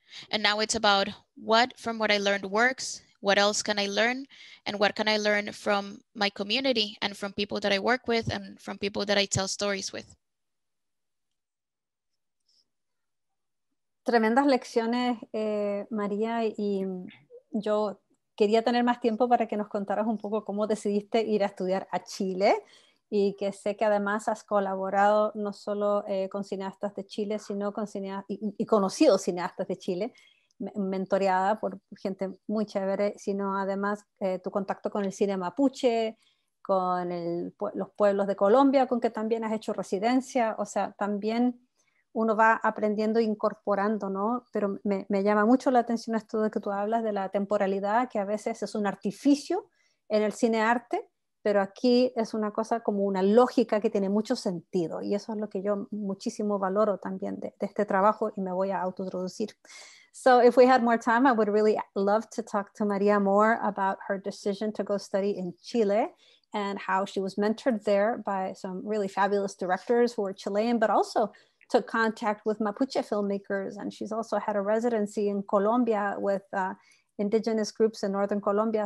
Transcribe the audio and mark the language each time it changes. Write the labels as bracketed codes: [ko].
[en] And now it's about what from what I learned works, what else can I learn, and what can I learn from my community and from people that I work with and from people that I tell stories with. [es] Tremendas lecciones, María, y yo quería tener más tiempo para que nos contaras un poco cómo decidiste ir a estudiar a Chile, y que sé que además has colaborado no solo con cineastas de Chile, sino con cineastas, y conocidos cineastas de Chile, mentoreada por gente muy chévere, sino además tu contacto con el cine mapuche, con los pueblos de Colombia, con que también has hecho residencia, o sea, también uno va aprendiendo e incorporando, ¿no? Pero me llama mucho la atención esto de que tú hablas de la temporalidad, que a veces es un artificio en el cine arte, pero aquí es una cosa como una lógica que tiene mucho sentido, y eso es lo que yo muchísimo valoro también de este trabajo, y me voy a autotraducir. [en] So if we had more time, I would really love to talk to María more about her decision to go study in Chile and how she was mentored there by some really fabulous directors who are Chilean, but also took contact with Mapuche filmmakers. And she's also had a residency in Colombia with indigenous groups in Northern Colombia.